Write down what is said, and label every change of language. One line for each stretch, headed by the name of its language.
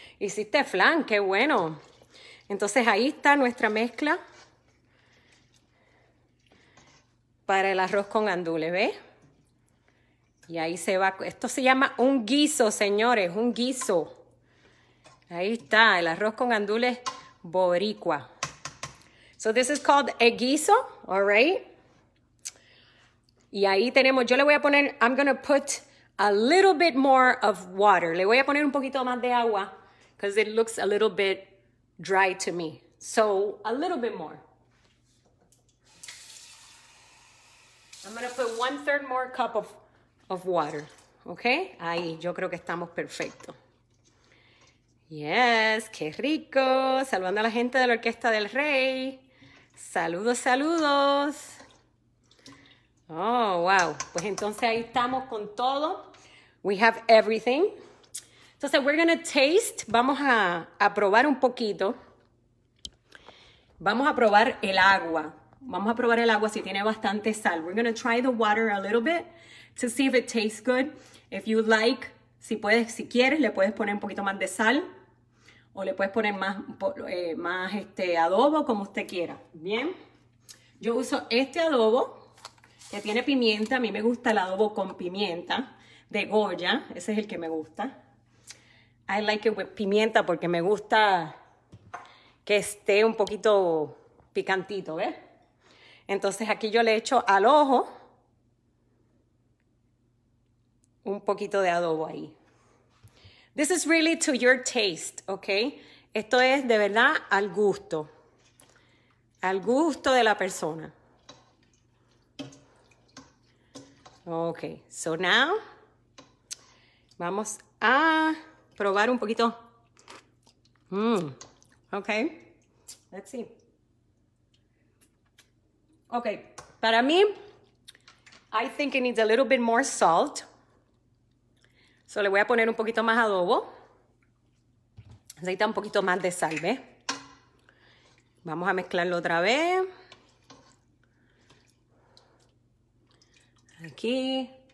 Spanish: Hiciste flan, qué bueno. Entonces, ahí está nuestra mezcla para el arroz con gandules, ¿ves? Y ahí se va. Esto se llama un guiso, señores, un guiso. Ahí está, el arroz con gandules boricua.
English: So, this is called a guiso, all right?
Spanish: Y ahí tenemos, yo le voy a poner,
English: I'm going to put a little bit more of water.
Spanish: Le voy a poner un poquito más de agua,
English: because it looks a little bit dry to me. So a little bit more. I'm gonna put 1/3 more cup of water. Okay?
Spanish: Ahí, yo creo que estamos perfecto. Yes, qué rico. Saludando a la gente de la Orquesta del Rey. Saludos, saludos. Oh, wow. Pues entonces ahí estamos con todo.
English: We have everything.
Spanish: Entonces,
English: we're going to taste.
Spanish: Vamos a probar un poquito. Vamos a probar el agua. Vamos a probar el agua si tiene bastante sal.
English: We're going to try the water a little bit to see if it tastes good. If you like,
Spanish: si puedes, si quieres, le puedes poner un poquito más de sal. O le puedes poner más, más este adobo, como usted quiera. Bien. Yo uso este adobo que tiene pimienta. A mí me gusta el adobo con pimienta de Goya. Ese es el que me gusta.
English: I like it with
Spanish: pimienta porque me gusta que esté un poquito picantito, ¿ves? Entonces aquí yo le echo al ojo un poquito de adobo ahí.
English: This is really to your taste, okay?
Spanish: Esto es de verdad al gusto de la persona.
English: Okay, so now
Spanish: vamos a probar un poquito. Mm.
English: Okay, let's see. Okay,
Spanish: para mí,
English: I think it needs a little bit more salt.
Spanish: So le voy a poner un poquito más adobo. Necesita un poquito más de sal, ¿ves? Vamos a mezclarlo otra vez. Aquí.